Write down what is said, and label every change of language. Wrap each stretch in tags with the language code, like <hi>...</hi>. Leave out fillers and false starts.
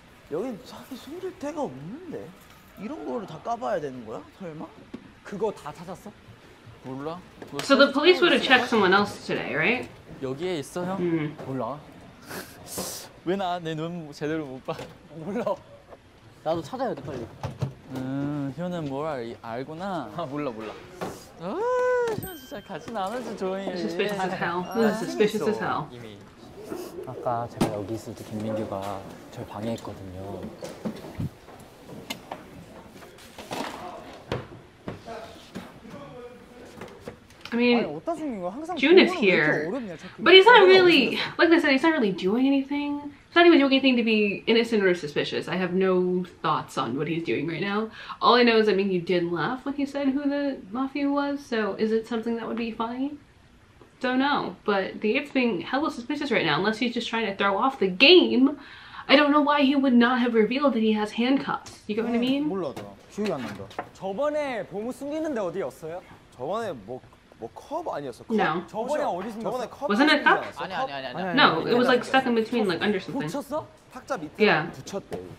<ko>여긴 자기 숨길 데가 없는데 이런 거를 다 까봐야 되는 거야? 설마? 그거 다 찾았어? 몰라.</ko> <en>So the police would have checked someone else today, right?</en> <ko>여기에 있어 형? 몰라. 왜 나 내 눈 제대로 못 봐? 몰라. 나도 찾아야 돼 빨리. 현은 뭘 알구나. 아 몰라. 아 현 진짜 가진 않았지 조용히.</ko> <en>Suspicious as hell. Suspicious as hell.</en> <ko>이미. 아까 제가 여기 있을 때 김민규가 절 방해했거든요. 어디다 숨긴 거야? 항상 June is here.</ko> <en>But he's not really, like I said, he's not really doing anything. He's not even doing anything to be innocent or suspicious. I have no thoughts on what he's doing right now. All I know is, I mean, you did laugh when he said who the mafia was. So is it something that would be funny? Don't know, but the ape's being hella suspicious right now, unless he's just trying to throw off the game. I don't know why he would not have revealed that he has handcuffs. You get what I mean?</en> <ko>몰라도 기억이 안 난다. 저번에 보물 숨기는데 어디였어요? 저번에 뭐 컵 아니었어? 컵?</ko> <en>No.</en> <ko>저번에 어디 숨겼어? 저번에 컵?</ko> <en>Wasn't it 탁?</en> <ko>아니.</ko> <en>No, it was like stuck in between, like under something.</en> <ko>붙였어? 탁자 밑에</ko> <en>yeah.</en> <ko>붙였대.</ko>